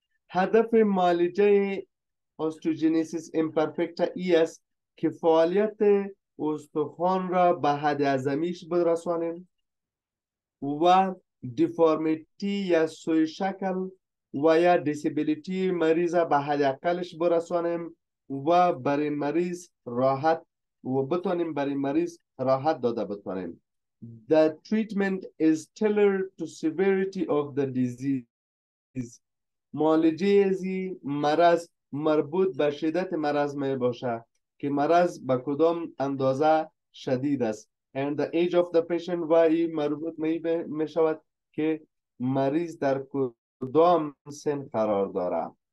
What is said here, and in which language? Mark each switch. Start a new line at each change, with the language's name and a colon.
Persian: هدف معالجه osteogenesis imperfecta است که فعالیت استخوان را به حد اعظمیش برسانیم و deformity یا سوء شکل و یا دیسیبیلیتی مریض به حد اقلش برسانیم و برای مریض راحت و بتانیم برای مریض راحت داده بتانیم.
English: The treatment is tailored to severity of the disease.
Persian: معالجه ازی مرض مربوط به شدت مرض می باشه که مرض به کدام اندازه شدید است.
English: And the age of the patient
Persian: و ای مربوط می شود که مریض در دوام سن قرار داره.